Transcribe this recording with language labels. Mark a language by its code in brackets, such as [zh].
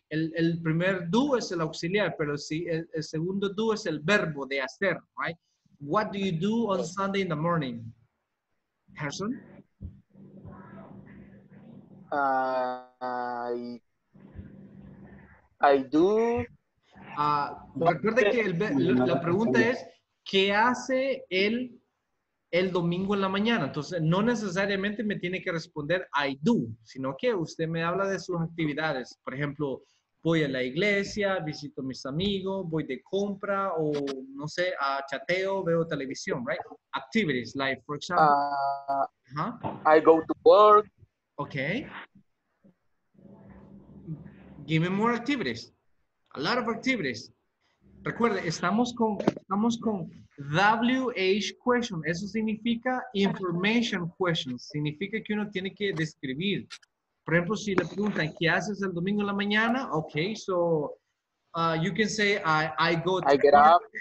[es] El primer do es el auxiliar, pero si el segundo do es el verbo de hacer, right? [en] What do you do on Sunday in the morning? Person? I do. [es] Recuerde que la pregunta es, ¿qué hace él el domingo en la mañana? Entonces, no necesariamente me tiene que responder [en] I do, [es] sino que usted me habla de sus actividades. Por ejemplo, voy a la iglesia, visito a mis amigos, voy de compra o, no sé, chateo, veo televisión, right? [en] Activities, like, for example. I go to work. Okay. Give me more activities. A lot of activities. [es] Recuerde, estamos con [en] WH question. [es] Eso significa [en] information question. [es] Significa que uno tiene que describir. Por ejemplo, si le preguntan, ¿qué haces el domingo en la mañana? [en] Okay, so you can say, I get up.